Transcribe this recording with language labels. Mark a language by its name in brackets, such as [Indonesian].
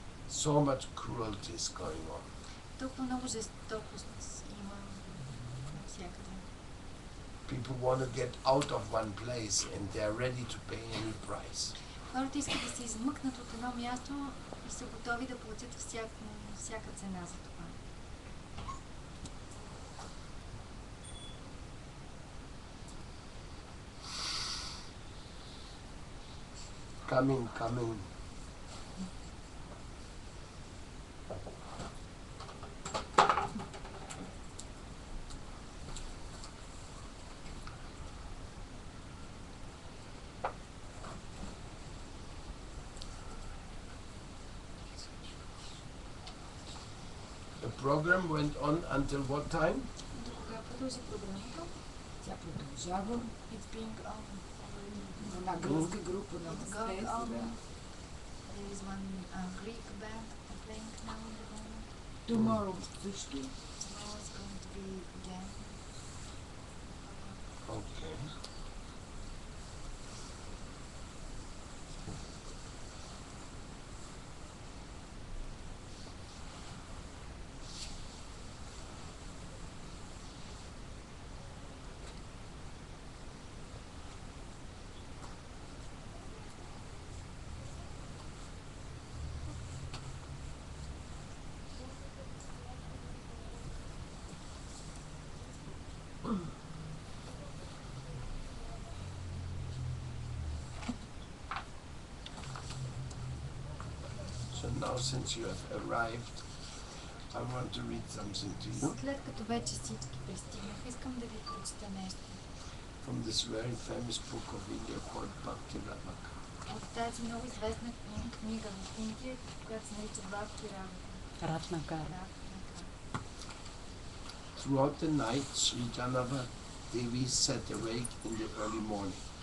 [English] So much cruelty is going on. [Bulgarian] Толкова много жестокост има всякъде. [English] People want to get out of one place and they are ready to pay any price. [Bulgarian] Хората искат да се измъкнат от едно място и са готови да платят всяка цена за това. [English] Coming. Program went on until what time? [Bulgarian] До кога продължи програмата? Тя продължава. [English] It's been [Bulgarian] на гръцка група на [English] There is one Greek band playing now in the moment. Tomorrow, mm-hmm. Tomorrow is going to be again. Okay. Now, since you have arrived, I want to read something to you. [Bulgarian] След като вече всички пристигнаха, искам да ви прочета нещо. [English] From this very famous book of India called Bhakti Ravaka. [Bulgarian] От тази много известна книга в Индия, която се нарича Бхакти Равака. Ратнака. [English] Throughout the night, Sri Janava Devi sat awake in the early morning.